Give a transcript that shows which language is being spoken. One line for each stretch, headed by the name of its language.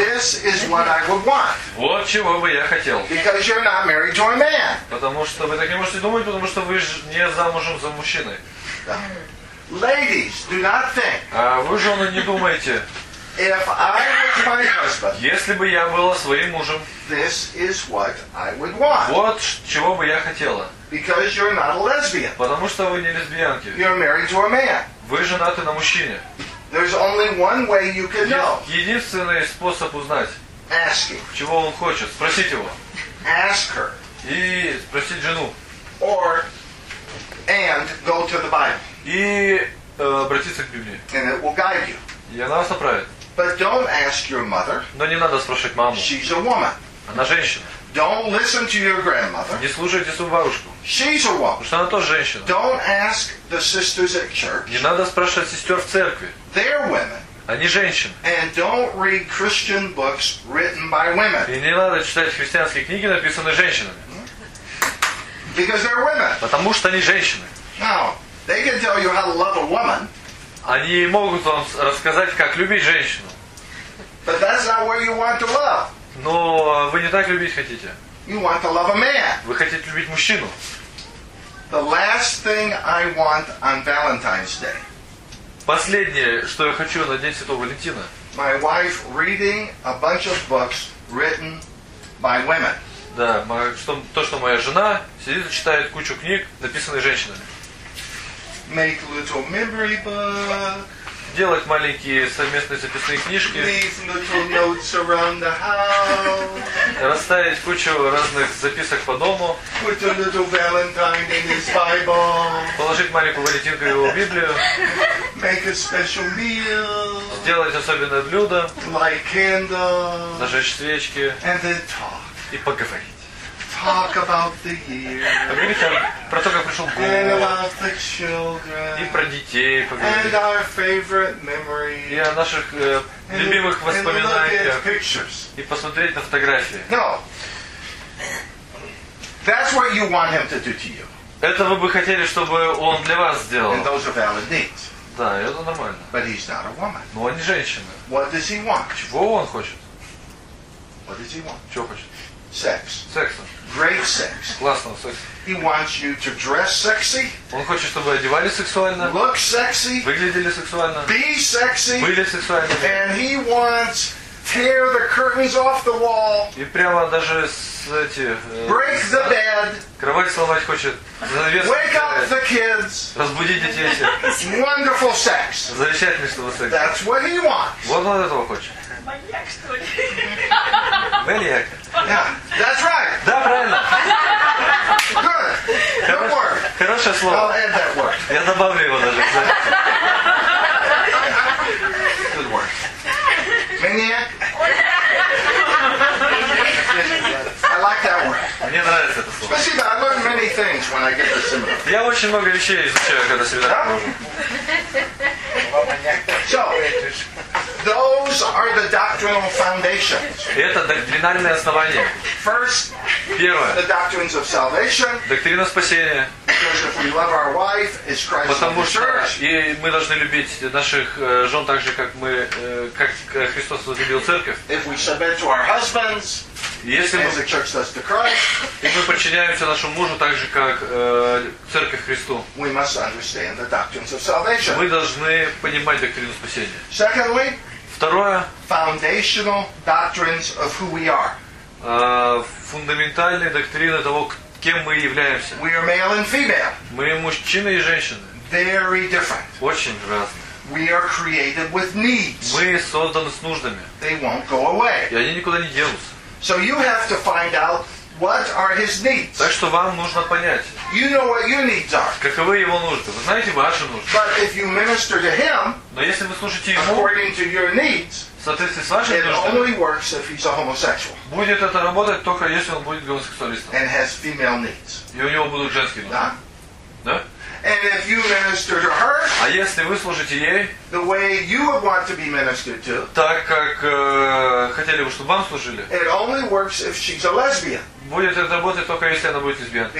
English: This is what I would want.
Russian: Вот чего бы я хотел.
English: Because you're not married to a man.
Russian: Потому что вы так не можете думать, потому что вы не замужем за мужчиной.
English: Ladies, do not think.
Russian: А вы, жены, не думайте.
English: If I was my husband.
Russian: Если бы я была своим мужем.
English: This is what I would want.
Russian: Вот чего бы я хотела.
English: Because you're not a lesbian.
Russian: Потому что вы не лесбиянки.
English: You're married to a man.
Russian: Вы женаты на мужчине.
English: There's only one way you can know.
Russian: Единственный способ узнать.
English: Ask him.
Russian: Чего он хочет? Спросить его.
English: Ask her.
Russian: И спросить жену.
English: Or and go to the Bible.
Russian: И обратиться к Библии.
English: And it will guide you.
Russian: И она вас направит.
English: But don't ask your mother.
Russian: Но не надо спрашивать маму.
English: She's a woman.
Russian: Она женщина.
English: Don't listen to your grandmother.
Russian: Не слушайте свою бабушку.
English: She's a woman.
Russian: Потому что она тоже женщина.
English: Don't ask the sisters at church.
Russian: Не надо спрашивать сестер в церкви.
English: They're women.
Russian: Они женщины.
English: And don't read Christian books written by women.
Russian: И не надо читать христианские книги, написанные женщинами.
English: Because they're women.
Russian: Потому что они женщины.
English: Now, they can tell you how to love a woman.
Russian: Они могут вам рассказать, как любить женщину.
English: But that's not where you want to love.
Russian: Но вы не так любить хотите.
English: You want to love a man.
Russian: Вы хотите любить мужчину.
English: The last thing I want on Valentine's Day.
Russian: Последнее, что я хочу на День Святого Валентина.
English: My wife reading a bunch of books written by women.
Russian: Да, то, что моя жена сидит и читает кучу книг, написанных женщинами.
English: Make little memory book.
Russian: Делать маленькие совместные записные книжки.
English: Leave little notes around the house.
Russian: Расставить кучу разных записок по дому.
English: Put a little Valentine in his Bible.
Russian: Положить маленькую валентинку в его Библию.
English: Make a special meal.
Russian: Сделать особенное блюдо.
English: Light candle.
Russian: Зажечь свечки.
English: And then talk.
Russian: И поговорить.
English: Talk about the year.
Russian: Поговорить про то, как пришел год.
English: And about the children.
Russian: И про детей поговорить.
English: And our favorite memories.
Russian: И о наших любимых воспоминаниях. И посмотреть на фотографии.
English: No. That's what you want him to do to you.
Russian: Это вы бы хотели, чтобы он для вас сделал.
English: And those are valid needs.
Russian: Да, это нормально.
English: But he's not a woman.
Russian: Но он не женщина.
English: What does he want?
Russian: Чего он хочет?
English: What does he want?
Russian: Чего хочет?
English: Sex.
Russian: Секса.
English: Great sex.
Russian: Классного секса.
English: He wants you to dress sexy.
Russian: Он хочет, чтобы одевались сексуально.
English: Look sexy.
Russian: Выглядели сексуально.
English: Be sexy.
Russian: Были сексуальными.
English: And he wants tear the curtains off the wall.
Russian: И прямо даже с эти.
English: Break the bed.
Russian: Кровать сломать хочет.
English: Wake up the kids.
Russian: Разбудить детей всех.
English: Wonderful sex.
Russian: Замечательный, чтобы секс.
English: That's what he wants.
Russian: Вот он этого хочет. Маньяк, что ли? Маньяк.
English: Yeah, that's right.
Russian: Да, правильно.
English: Good. Good word.
Russian: Хорошее слово.
English: I'll add that word.
Russian: Я добавлю его даже.
English: Good word. Maniac. I like that word.
Russian: Мне нравится это слово. Спасибо.
English: I learn many things when I get the seminar.
Russian: Я очень много вещей изучаю, когда сюда прихожу.
English: Those are the doctrinal foundations.
Russian: Это доктринальные основания.
English: First,
Russian: первое.
English: The doctrines of salvation.
Russian: Доктрина спасения.
English: Because if we love our wife, it's Christ.
Russian: Потому что
English: the church.
Russian: И мы должны любить наших жен так же, как мы, как Христос возлюбил церковь.
English: If we submit to our husbands.
Russian: Если
English: as the church does to Christ.
Russian: И мы подчиняемся нашему мужу так же, как церковь Христу.
English: We must understand the doctrines of salvation.
Russian: Мы должны понимать доктрину спасения.
English: Secondly.
Russian: Второе.
English: Foundational doctrines of who we are.
Russian: Фундаментальные доктрины того, кем мы являемся.
English: We are male and female.
Russian: Мы мужчины и женщины.
English: Very different.
Russian: Очень разные.
English: We are created with needs.
Russian: Мы созданы с нуждами.
English: They won't go away.
Russian: И они никуда не денутся.
English: So you have to find out what are his needs.
Russian: Так что вам нужно понять.
English: You know what your needs are.
Russian: Каковы его нужды? Вы знаете ваши нужды.
English: But if you minister to him,
Russian: но если вы служите ему,
English: according to your needs,
Russian: в соответствии с вашими нуждами,
English: it only works if he's a homosexual.
Russian: Будет это работать только если он будет гомосексуалистом.
English: And has female needs.
Russian: И у него будут женские нужды. Да? Да?
English: And if you minister to her,
Russian: а если вы служите ей,
English: the way you would want to be ministered to,
Russian: так как хотели бы, чтобы вам служили,
English: it only works if she's a lesbian.
Russian: Будет это работать только если она будет лесбиянкой.